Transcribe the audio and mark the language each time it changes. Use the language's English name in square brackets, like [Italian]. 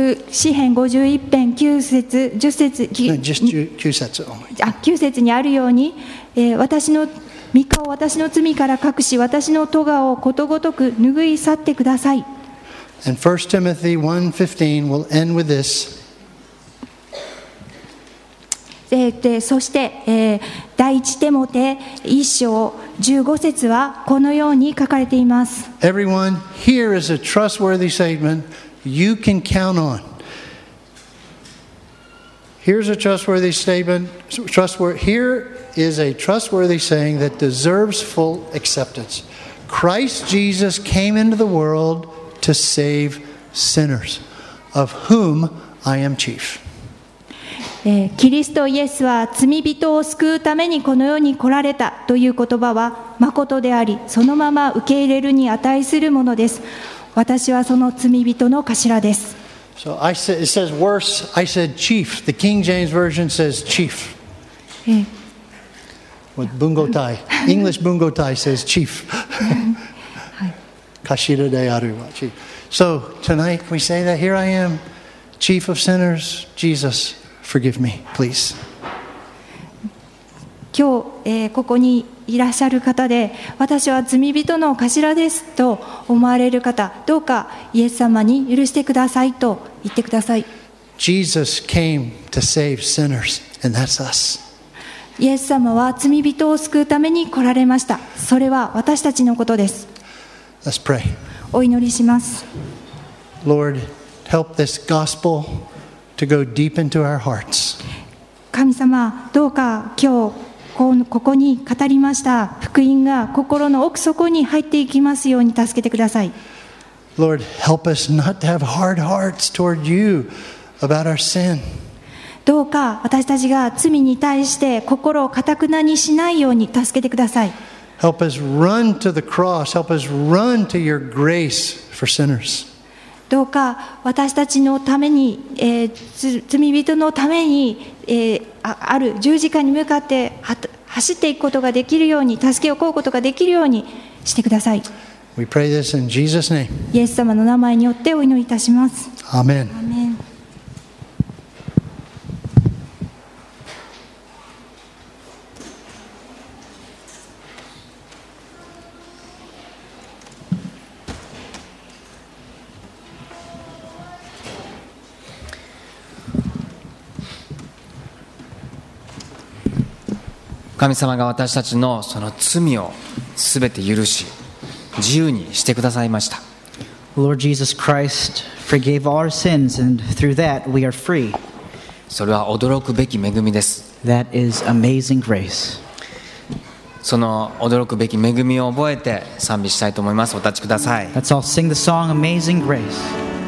[Japanese] 詩編51編9節10節 9節にあるように、私の御顔を私の罪から隠し私の咎をことごとく拭い去ってください。 [English] And 1 Timothy 1:15 will end with this. [Japanese] でそして、第一テモテ一章15節はこのように書かれています。 [English] Everyone, here is a trustworthy statementYou can count on. Here's a trustworthy statement. Here is a trustworthy saying that deserves full acceptance. Christ Jesus came into the world to save sinners, of whom I am chief. [Japanese] キリストイエスは罪人を救うためにこの世に来られたという言葉は誠であり、そのまま受け入れるに値するものです。私はその罪人の頭です。 [English] So I said, it says worse. I said chief. The King James Version says chief. With bungo tie. English bungo tie says chief. [Japanese] 頭であるは chief. [English] So tonight, can we say that? Here I am, chief of sinners. Jesus, forgive me, please. [Japanese] 今日、ここにいらっしゃる方で私は罪人の頭ですと思われる方、どうかイエス様に許してくださいと言ってください。 [English] Jesus came to save sinners, and that's us. [Japanese] イエス様は罪人を救うために来られました。それは私たちのことです。 [English] Let's pray. [Japanese] お祈りします。 [English] Lord, help this gospel to go deep into our hearts. [Japanese] 神様、どうか今日ここに語りました福音が心の奥底に入っていきますように助けてください。 [English] Lord, help us not to have hard hearts toward you about our sin. [Japanese] どうか私たちが罪に対して心を固くなにしないように助けてください。 [English] Help us run to the cross. Help us run to your grace for sinners. [Japanese] どうか私たちのために、罪人のために、ある十字架に向かって走っていくことができるように助けを請うことができるようにしてください。 [English] We pray this in Jesus' name. [Japanese] イエス様の名前によってお祈りいたします。アーメン。アーメン。神様が私たちのその罪をすべて許し、自由にしてくださいました。 [English] Lord Jesus Christ forgave our sins, and through that we are free. [Japanese] それは驚くべき恵みです。 [English] That is amazing grace. [Japanese] その驚くべき恵みを覚えて賛美したいと思います。お立ちください。 [English] Let's all sing the song Amazing Grace.